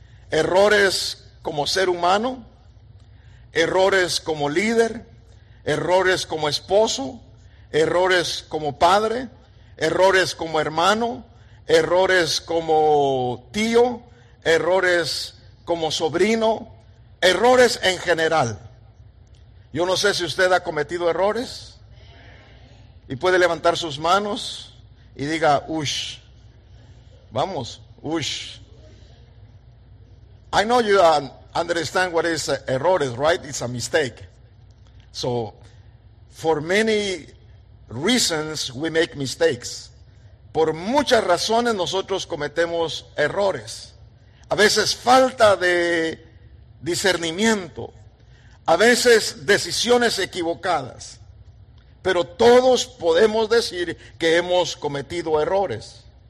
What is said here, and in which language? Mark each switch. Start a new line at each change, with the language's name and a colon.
Spanish: Errores como ser humano, errores como líder, errores como esposo, errores como padre, errores como hermano, errores como tío, errores como sobrino, errores en general. Yo no sé si usted ha cometido errores y puede levantar sus manos y diga: ush, vamos, ush.
English: I know you understand what is errores, right? It's a mistake. So, for many reasons we make mistakes.
Spanish: Por muchas razones nosotros cometemos errores. A veces falta de discernimiento. A veces decisiones equivocadas. Pero todos podemos decir que hemos cometido errores.